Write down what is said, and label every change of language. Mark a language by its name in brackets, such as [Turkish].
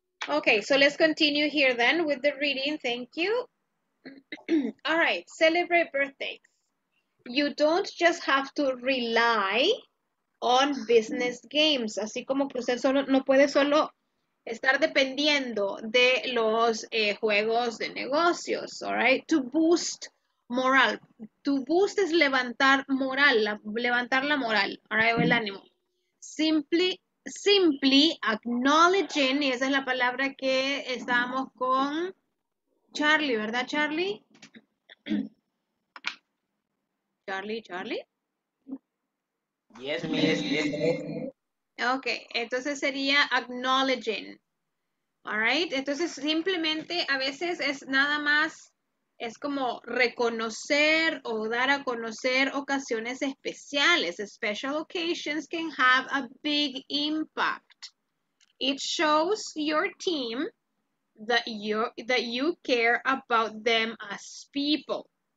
[English] Ok, so let's continue here then with the reading. Thank you. All right, celebrate birthdays. You don't just have to rely on business games. [Spanish] Así como que usted solo, no puede solo estar dependiendo de los juegos de negocios. [English] All right, to boost moral. [Spanish] To boost es levantar moral, levantar la moral, [English] all right, [Spanish] o el ánimo. [English] Simply acknowledging, [Spanish] y esa es la palabra que estábamos con Charlie, ¿verdad, Charlie? Charlie. [English] Yes, yes. [Spanish] Okay, entonces sería acknowledging. [English] All right, [Spanish] entonces simplemente a veces es nada más. Es como reconocer o dar a conocer ocasiones especiales. [English] Special occasions can have a big impact. It shows your team that you care about them as people.